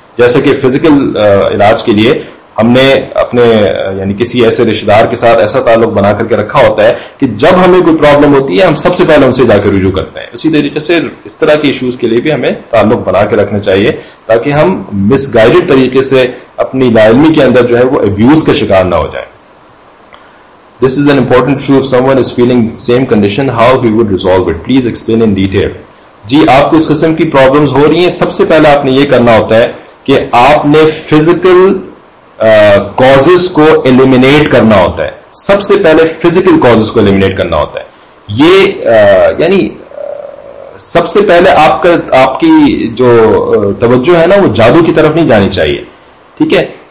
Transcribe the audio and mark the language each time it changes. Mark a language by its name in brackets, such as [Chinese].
[Urdu] جیسے کہ فزیکل علاج کے لیے ہم نے اپنے یعنی کسی ایسے رشتے دار کے ساتھ ایسا تعلق بنا کر کے رکھا ہوتا ہے کہ جب ہمیں کوئی پرابلم ہوتی ہے ہم سب سے پہلے ان سے جا کے رجوع کرتے ہیں. اسی طریقے سے اس طرح کے ایشوز کے لیے بھی ہمیں تعلق بنا کے رکھنا چاہیے تاکہ ہم مس گائیڈڈ طریقے سے اپنی لاعلمی کے اندر جو ہے وہ ابیوز کا شکار نہ ہو جائیں. [English] This is an important issue. If someone is feeling same condition, how he would resolve it? Please explain in detail. [Urdu] جی آپ کو اس قسم کی پرابلمس ہو رہی ہیں, سب سے پہلے آپ نے یہ کرنا ہوتا ہے کہ آپ نے فزیکل کازز کو ایلیمینیٹ کرنا ہوتا ہے. سب سے پہلے فزیکل کازز کو ایلیمینیٹ کرنا ہوتا ہے. یہ یعنی سب سے پہلے آپ کی جو توجہ ہے نا وہ جادو کی طرف نہیں جانی چاہیے, ٹھیک ہے.